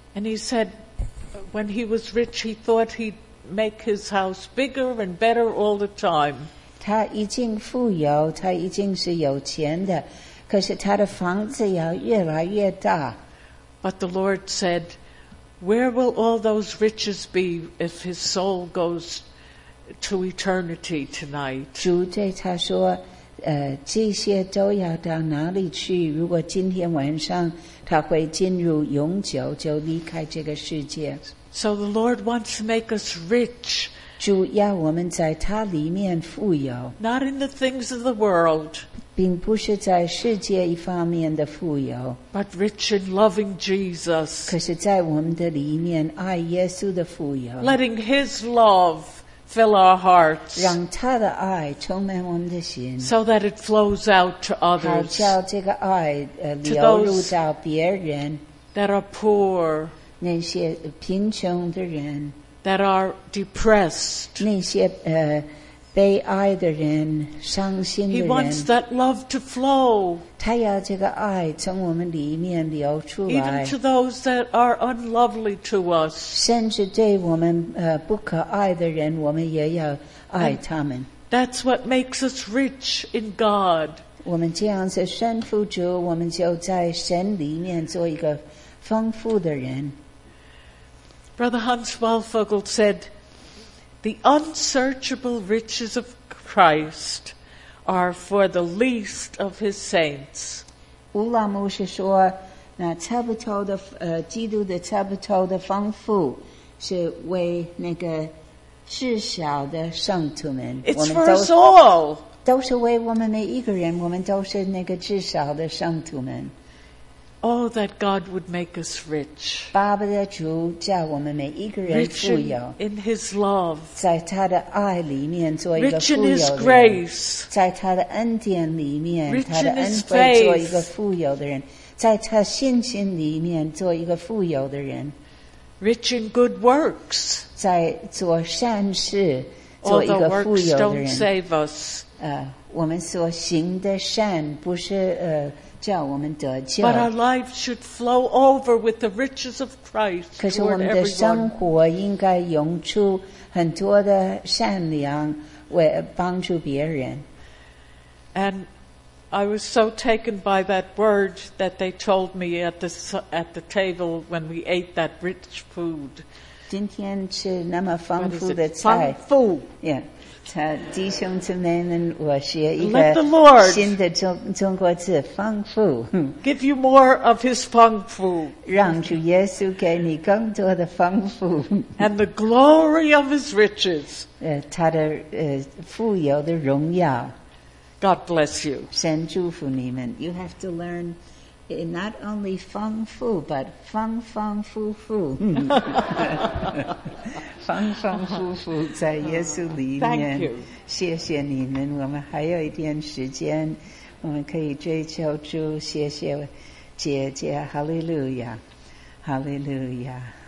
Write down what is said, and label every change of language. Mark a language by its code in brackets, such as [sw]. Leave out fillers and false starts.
[en] And he said, when he was rich, he thought he'd make his house bigger and better all the time. [zh] 他已经富有，他已经是有钱的，可是他的房子要越来越大。 [en] But the Lord said, where will all those riches be if his soul goes to eternity tonight? [zh] 主对他说，这些都要到哪里去？如果今天晚上他会进入永久，就离开这个世界。 [en] So the Lord wants to make us rich. [zh] 主要我们在他里面富有。 [en] Not in the things of the world. [zh] 并不是在世界一方面的富有。 [en] But rich in loving Jesus. [zh] 可是在我们的里面爱耶稣的富有。 [en] Letting his love fill our hearts. [zh] 让他的爱充满我们的心。 [en] So that it flows out to others. [zh] 好叫这个爱流入到别人。 [en] That are poor. [zh] 那些贫穷的人 [en] that are depressed [zh] 那些悲哀的人伤心的人 [en] He wants that love to flow [zh] 他要这个爱从我们里面流出来 [en] Even to those that are unlovely to us [zh] 甚至对我们不可爱的人我们也要爱他们 [en] And That's what makes us rich in God [zh] 我们这样子顺服主我们就在神里面做一个丰富的人 [en] Brother Hans Waldvogel said, "The unsearchable riches of Christ are for the least of His saints." [zh] 乌拉牧师说，那差不多的基督的差不多的丰富是为那个至少的圣徒们。 [en] It's for us all. [zh] 都是为我们每一个人，我们都是那个至少的圣徒们。 [en] Oh, that God would make us rich. [zh] 爸爸的主叫我们每一个人富有。 [en] Rich in His love. [zh] 在他的爱里面做一个富有的人。 [en] Rich in His grace. [zh] 在他的恩典里面。 [en] Rich in His faith. [zh] 他的恩惠做一个富有的人。在他信心里面做一个富有的人。 [en] Rich in good works. [zh] 在做善事做一个富有的人。 [en] Although works don't save us. [zh] 我们所行的善不是叫我们得救 [en] But our lives should flow over with the riches of Christ toward everyone. [zh] 可是我们的生活应该涌出很多的善良，为帮助别人。 [en] And I was so taken by that word that they told me at the table when we ate that rich food. [zh] 今天吃那么丰富的菜。丰富。 [en] Yeah. [zh] 他弟兄姊妹们，我学一个 [en] Let the Lord [zh] 新的中国字“丰富”。 [en] Give you more of His 丰富。 [zh] 让主耶稣给你更多的丰富。 [en] And the glory of His riches。 [zh] 他的富有的荣耀。 [en] God bless you。 [zh] 神祝福你们。 [en] You have to learn not only 丰富 but 丰丰富富。 [zh] 丰丰富富在耶稣里面谢谢你们我们还有一点时间我们可以追求主谢谢姐姐哈利路亚哈利路亚